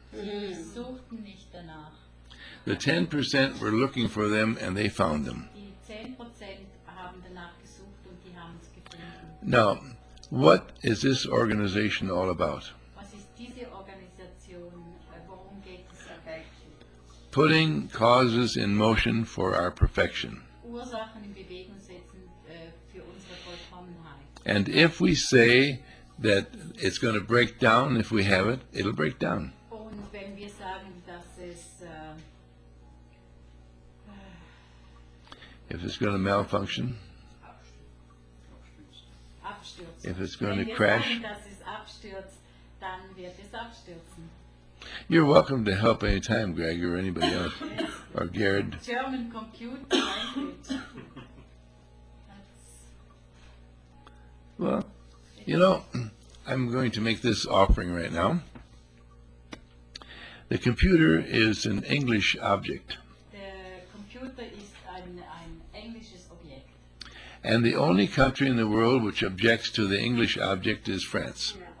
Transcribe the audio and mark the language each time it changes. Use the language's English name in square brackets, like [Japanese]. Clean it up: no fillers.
[German] Sie suchten nicht danach. [English] The 10% were looking for them and they found them. [German] Die 10% haben danach gesucht und die haben es gefunden. [English] Now, what is this organization all about? [German] Was ist diese Organisation? Worum geht es dabei? [English] Putting causes in motion for our perfection. [German] Ursachen in Bewegung setzen, für unsere Vollkommenheit. [English] And if we say that it's going to break down, if we have it, it'll break down. [German] Und wenn wir sagen, dass es, [English] if it's going to malfunction, if it's going [German] wenn [English] to crash, [German] sagen, es abstürzt, dann wird es abstürzen. [English] You're welcome to help anytime, Greg, or anybody else, or Gerd. German computer language. Well, you know, I'm going to make this offering right now. The computer is an English object. The computer is [German] ein englisches Objekt. [English] And the only country in the world which objects to the English object is France.